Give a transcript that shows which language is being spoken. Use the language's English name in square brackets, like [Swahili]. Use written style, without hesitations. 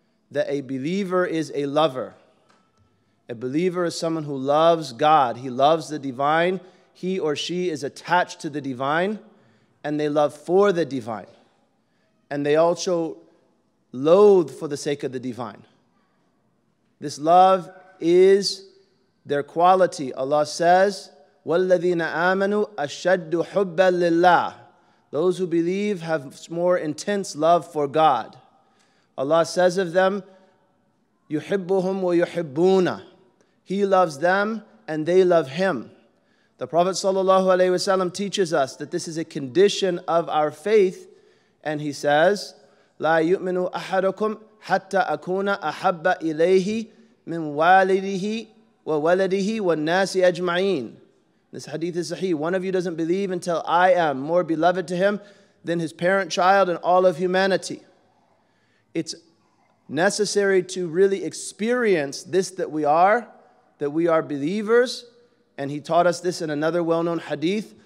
[English] That a believer is a lover. A believer is someone who loves God. He loves the divine. He or she is attached to the divine, and they love for the divine. And they also loathe for the sake of the divine. This love is their quality. Allah says, [Arabic] وَالَّذِينَ آمَنُوا أَشَدُّ حُبَّا لِلَّهِ. [English] Those who believe have more intense love for God. Allah says of them, [Arabic] يُحِبُّهُمْ وَيُحِبُّونَ. [English] He loves them and they love him. The Prophet ﷺ teaches us that this is a condition of our faith. And he says, [Arabic] لَا يُؤْمِنُوا أَحَدُكُمْ حَتَّى أَكُونَ أَحَبَّ إِلَيْهِ مِنْ وَالِدِهِ وَوَلَدِهِ وَالنَّاسِ أَجْمَعِينَ. [English] This hadith is sahih. One of you doesn't believe until I am more beloved to him than his parent child and all of humanity. It's necessary to really experience this that we are believers. And he taught us this in another well-known hadith.